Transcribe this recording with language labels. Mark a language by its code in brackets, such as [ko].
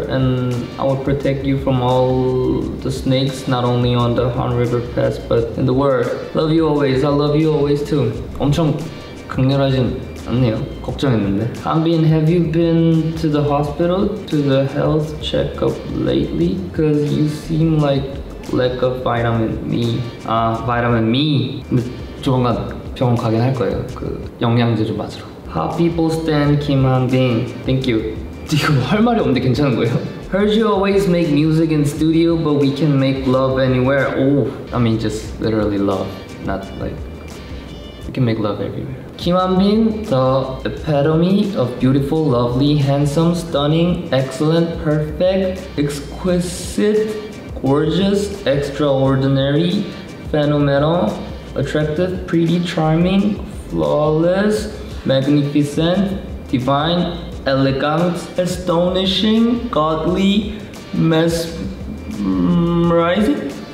[en] And I will protect you from all the snakes, not only on the Han River Pass, but in the world. Love you always. I love you always too. [ko] 엄청 강렬하진 않네요. 걱정했는데. [en] Hanbin, have you been to the hospital to the health checkup lately? Because you seem like lack of vitamin me. Ah, vitamin me. [ko] 조만간 병원 가긴 할 거예요. 그 영양제 좀 맞으러. [en] How people stand Kim Hanbin. Thank you. [ko] 지금 할 말이 없는데 괜찮은 거예요? [en] Heard you always make music in studio, but we can make love anywhere. Oh, I mean just literally love, not like we can make love everywhere. Kim Hanbin, the epitome of beautiful, lovely, handsome, stunning, excellent, perfect, exquisite, gorgeous, extraordinary, phenomenal, attractive, pretty, charming, flawless, magnificent, divine, elegant, astonishing, godly, mesmerizing?